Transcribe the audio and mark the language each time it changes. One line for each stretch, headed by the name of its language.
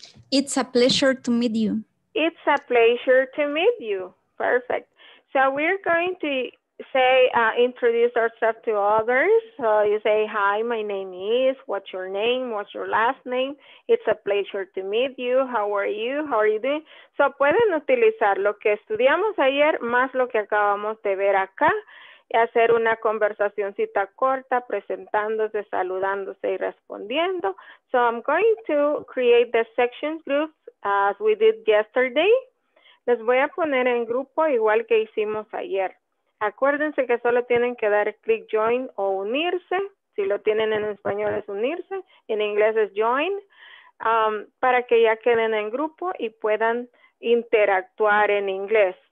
English: It's a pleasure to meet you. It's a pleasure to meet you. Perfect. So we're going to say, introduce ourselves to others. So you say, hi, my name is, what's your name, what's your last name? It's a pleasure to meet you. How are you? How are you doing?
Spanish: So pueden utilizar lo que estudiamos ayer más lo que acabamos de ver acá y hacer una conversacioncita corta presentándose, saludándose y respondiendo.
English: So I'm going to create the section groups as we did yesterday.
Spanish: Les voy a poner en grupo igual que hicimos ayer. Acuérdense que solo tienen que dar click join o unirse. Si lo tienen en español es unirse, en inglés es join, para que ya queden en grupo y puedan interactuar en inglés.